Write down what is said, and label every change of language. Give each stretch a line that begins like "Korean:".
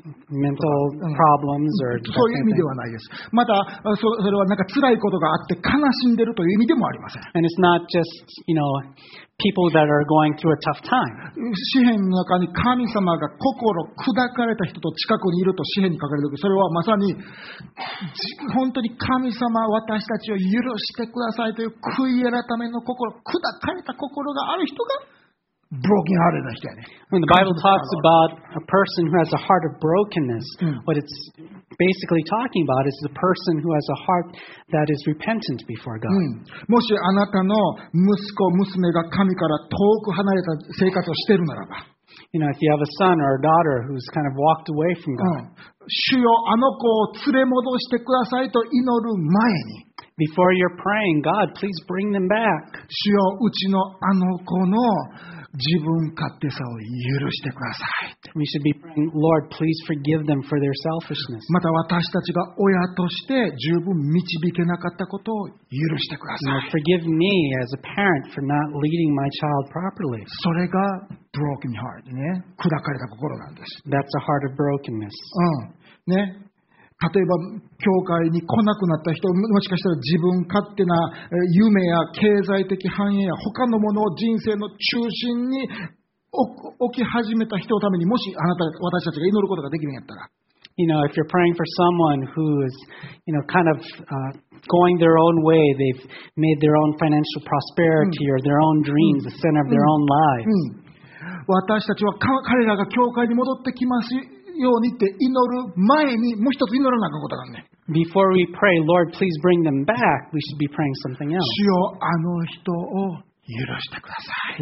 English: Mental problems or
Japanese: そういう意味ではないです。また、それはなんか辛いことがあって悲しんでるという意味でもありません。
English: And it's not just, you know, people that are going through a tough time.
Japanese: 詩篇の中に神様が心砕かれた人と近くにいると詩篇に書かれている。それはまさに本当に神様私たちを許してくださいという悔い改めの心、砕かれた心がある人が。
English: When the Bible talks about a person who has a heart of brokenness, what it's basically talking about is the person who has a heart that is repentant before God.
Japanese: もしあなたの息子娘が神から遠く離れた生活をしているならば、
English: you know, if you have a son or a daughter who's kind of walked away from God,
Japanese: 主よあの子を連れ戻してくださいと祈る前に、
English: before you're praying, God, please bring them back.
Japanese: 主よ、うちのあの子の自分勝手さを許してくださいって。
English: We should be praying, Lord, please forgive them for their selfishness.
Japanese: また私たちが親として十分導けなかったことを許してください。
English: Now, forgive me as a parent for not leading my child properly.
Japanese: それが
English: broken heart
Japanese: ね。砕かれた心なんです。
English: That's a heart of brokenness.
Japanese: ね。例えば教会に来なくなった人、もしかしたら自分勝手な夢や経済的繁栄や他のものを人生の中心に置き始めた人のためにもしあなた私たちが祈ることができるんやったら、
English: You know, if you're praying for someone who is, you know, kind of, going their own way, they've made their own financial prosperity or their own dreams the center of their own lives.
Japanese: 私たちは彼らが教会に戻ってきますようにって祈る前にもう一つ祈らなきゃことがあるね。
English: Before we pray, Lord, please bring them back. We should be praying something else.
Japanese: 主よあの人を許してください。